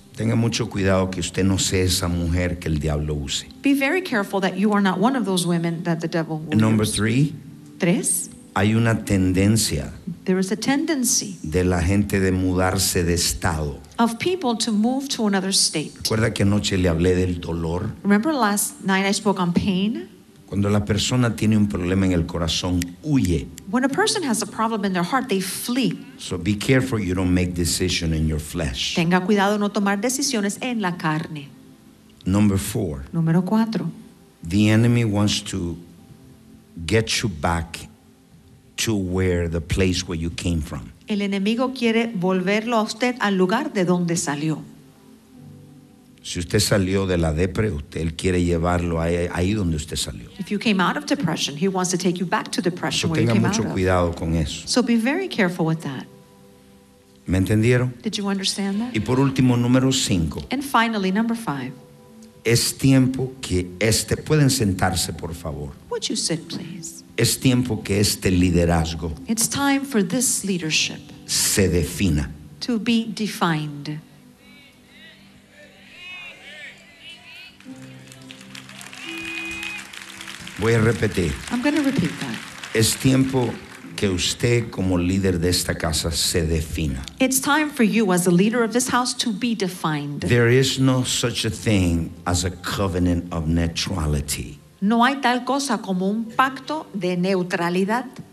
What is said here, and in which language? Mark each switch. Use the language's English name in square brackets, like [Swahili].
[Spanish] Tenga mucho cuidado que usted no sea esa mujer que el diablo use. [English] Be very careful that you are not one of those women that the devil will use. Number three. [Spanish] Tres. Hay una tendencia. [English] There is a tendency. [Spanish] De la gente de mudarse de estado. [English] Of people to move to another state. [Spanish] ¿Recuerda que anoche le hablé del dolor? [English] Remember last night I spoke on pain? [Spanish] Cuando la persona tiene un problema en el corazón, huye. [English] When a person has a problem in their heart, they flee. So be careful you don't make decisions in your flesh. [Spanish] Tenga cuidado no tomar decisiones en la carne. [English] Number four. [Spanish] Número cuatro. [English] The enemy wants to get you back to where the place where you came from. [Spanish] El enemigo quiere volverlo a usted al lugar de donde salió. Si usted salió de la depresión, usted quiere llevarlo ahí donde usted salió. [English] If you came out of depression, he wants to take you back to depression where you came out of. [Spanish] Tenga mucho cuidado con eso. [English] So be very careful with that. [Spanish] ¿Me entendieron? [English] Did you understand that? [Spanish] Y por último, número cinco. [English] And finally, number five. [Spanish] Es tiempo que este, pueden sentarse, por favor. [English] Would you sit, please? [Spanish] Es tiempo que este liderazgo. [English] It's time for this leadership. [Spanish] Se defina. [English] To be defined. [Spanish] Voy a repetir. [English] I'm going to repeat that. [Spanish] Es tiempo que usted como líder de esta casa se defina. [English] It's time for you as a leader of this house to be defined. There is no such a thing as a covenant of neutrality. [Spanish] No hay tal cosa como un pacto de neutralidad.